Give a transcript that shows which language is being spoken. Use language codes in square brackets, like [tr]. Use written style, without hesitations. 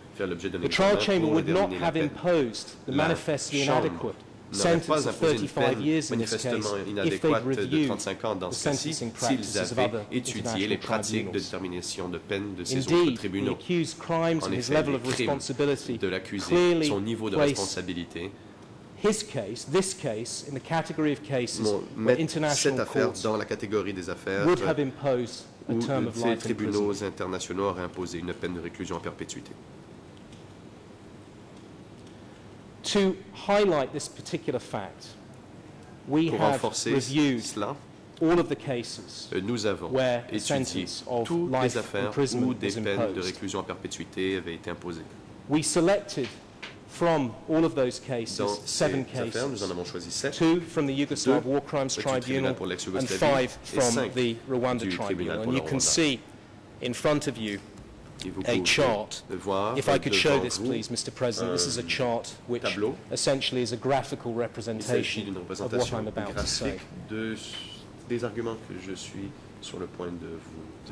[en] The trial chamber would not have imposed the manifestly inadequate sentence of 35 years in this case if they'd reviewed the sentencing practices of other international tribunals. Indeed, the accused's crimes and his level of responsibility clearly place his case, this case, in the category of cases where international courts would have imposed a term of life imprisonment. [fr] Aurait imposé une peine de réclusion à perpétuité. [en] To highlight this particular fact, we have reviewed all of the cases where a sentence of life imprisonment was imposed. We selected from all of those cases seven cases, two from the Yugoslav War Crimes Tribunal and five from the Rwanda Tribunal. And you can see in front of you a chart. If I could show this, please, Mr. President, this is a chart which essentially is a graphical representation of what I'm about to say. [fr] Des arguments que je suis sur le point de vous